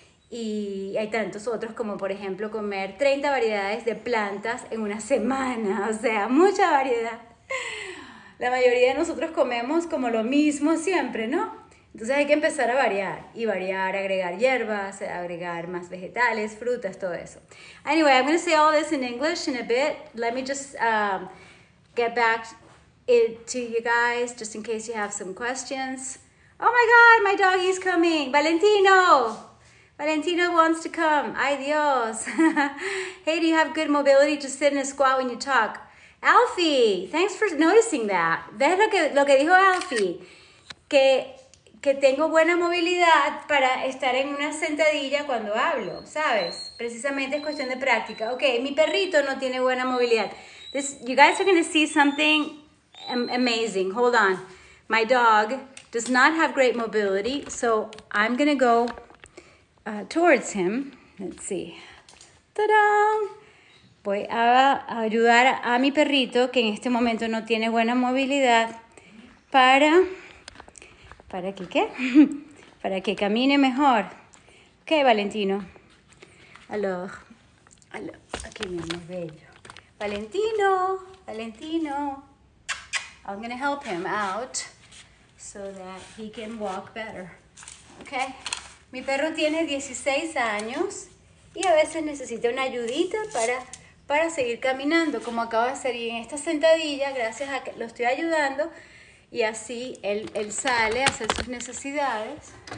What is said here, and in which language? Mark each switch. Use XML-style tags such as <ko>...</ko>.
<es>Y hay tantos otros como, por ejemplo, comer 30 variedades de plantas en una semana. O sea, mucha variedad. La mayoría de nosotros comemos como lo mismo siempre, ¿no? Entonces hay que empezar a variar. Y variar, agregar hierbas, agregar más vegetales, frutas, todo eso.</es> <en>Anyway, I'm going to say all this in English in a bit. Let me just get back to you guys, just in case you have some questions. Oh my God, my doggy's coming. Valentino. Valentino wants to come.</en> <es>Ay, Dios.</es> <en>Hey, do you have good mobility to sit in a squat when you talk? Alfie, thanks for noticing that.</en> <es>¿Ves lo que dijo Alfie? Que tengo buena movilidad para estar en una sentadilla cuando hablo, ¿sabes? Precisamente es cuestión de práctica. Ok, mi perrito no tiene buena movilidad.</es> <en>This, you guys are going to see something amazing. Hold on. My dog does not have great mobility, so I'm going to go towards him. Let's see. Ta-da!</en> <es>Voy a ayudar a mi perrito, que en este momento no tiene buena movilidad, ¿Para que qué? Para que camine mejor. ¿Qué, Valentino? Aló. Aquí, mi amor bello. Valentino.</es> <en>I'm going to help him out so that he can walk better. Okay.</en> <es>Mi perro tiene 16 años y a veces necesita una ayudita para seguir caminando, como acabo de hacer. Y en esta sentadilla, gracias a que lo estoy ayudando, y así él sale a hacer sus necesidades.</es>